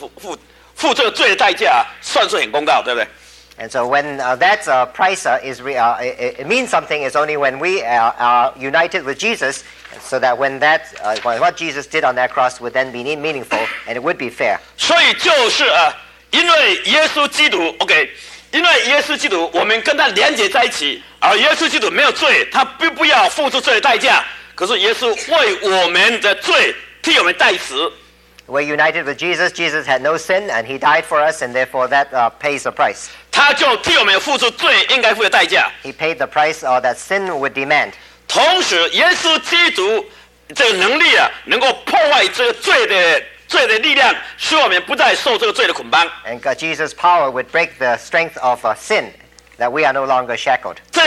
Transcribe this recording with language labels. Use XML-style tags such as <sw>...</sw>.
<zh>我们的罪应该付的代价,耶稣替我们的罪,什么时候才能够耶稣替我们付罪呢?就是我们跟耶稣连接在一起,在基督里面,我们跟基督连接一起,或者我们跟基督结婚,所以耶稣替我们付这个罪的代价算是很公道,对不对?</zh> <en>And so when that price is it means something, it's only when we are united with Jesus, so that when that what Jesus did on that cross would then be meaningful and it would be fair.</en> <zh>所以就是 因为耶稣基督,我们跟他连接在一起,而耶稣基督没有罪,他不要付出罪的代价,可是耶稣为我们的罪,替我们代死。</zh> <en>We're united with Jesus, Jesus had no sin, and he died for us, and therefore that pays the price.</en> <zh>他就替我们付出罪应该付的代价。He</zh> <en>paid the price that sin would demand.</en> <zh>同时耶稣基督这个能力能够破坏这个罪的</zh> <en>And Jesus' power would break the strength of sin, that we are no longer shackled.</en>